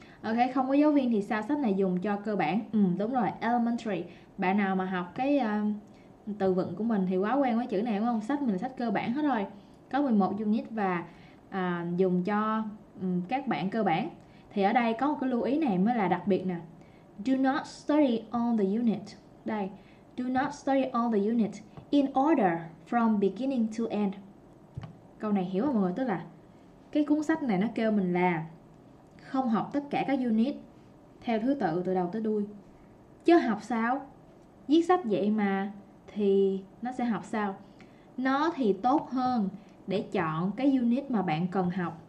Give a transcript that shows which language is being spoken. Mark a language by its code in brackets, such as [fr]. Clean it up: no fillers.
[vi] Ok, không có giáo viên thì sao? Sách này dùng cho cơ bản. Ừ, đúng rồi, elementary. Bạn nào mà học cái từ vựng của mình thì quá quen với chữ này, đúng không? Sách mình là sách cơ bản hết rồi, có 11 unit và dùng cho các bạn cơ bản. Thì ở đây có một cái lưu ý này mới là đặc biệt nè. [en] Do not study all the unit. Đây, do not study all the unit in order from beginning to end. [vi] Câu này hiểu không mọi người? Tức là cái cuốn sách này nó kêu mình là không học tất cả các unit theo thứ tự từ đầu tới đuôi. Chứ học sao? Viết sách vậy mà thì nó sẽ học sao? Nó thì tốt hơn để chọn cái unit mà bạn cần học.